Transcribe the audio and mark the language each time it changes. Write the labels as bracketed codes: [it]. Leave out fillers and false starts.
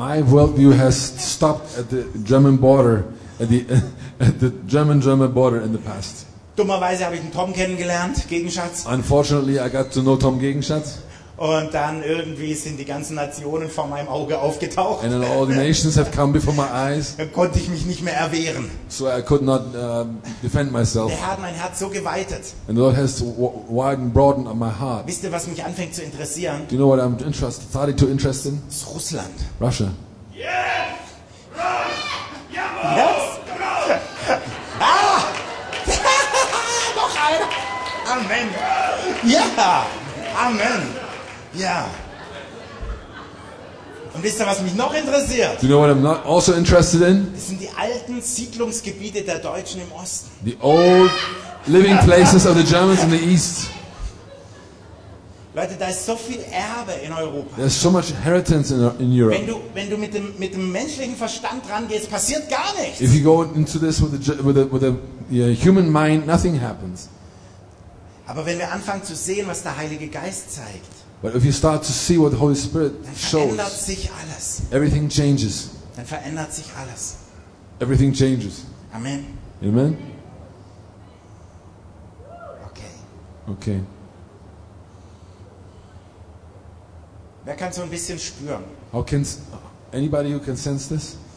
[en] My worldview has stopped at the German border, at the German border in the past. [de] Dummerweise habe ich einen Tom kennengelernt, Gegenschatz. [en] Unfortunately, I got to know Tom Gegenschatz. [de] Und dann irgendwie sind die ganzen Nationen vor meinem Auge aufgetaucht. [en] And then all the nations have come before my eyes. [de] Dann konnte ich mich nicht mehr erwehren. [en] So I could not defend myself. [de] Der Herr hat mein Herz so geweitet. [en] And the Lord has widened, broadened on my heart. [de] Wisst ihr, was mich anfängt zu interessieren? [en] Do you know what I'm starting to interest in? [de] Ist Russland. [en] Russia. Yes! [de] Jawohl! Yes! Ah! Noch einer! Amen! Ja! Yeah. Amen! Ja. Und wisst ihr, was mich noch interessiert? [en] Do you know what I'm not also interested in? [de] Das sind die alten Siedlungsgebiete der Deutschen im Osten. [en] The old living places of the Germans in the East. [de] Leute, da ist so viel Erbe in Europa. [en] There's so much inheritance in Europe. [de] Wenn du mit dem menschlichen Verstand rangehst, passiert gar nichts. [en] If you go into this with the human mind, nothing happens. [de] Aber wenn wir anfangen zu sehen, was der Heilige Geist zeigt. [en] But if you start to see what the Holy Spirit shows, [de] dann verändert sich alles. [en] Everything changes. [de] Dann verändert sich alles. [en] Everything changes. Amen. Amen. Okay. Okay. [de] Wer kann so ein bisschen spüren? [en] How can anybody who can sense this?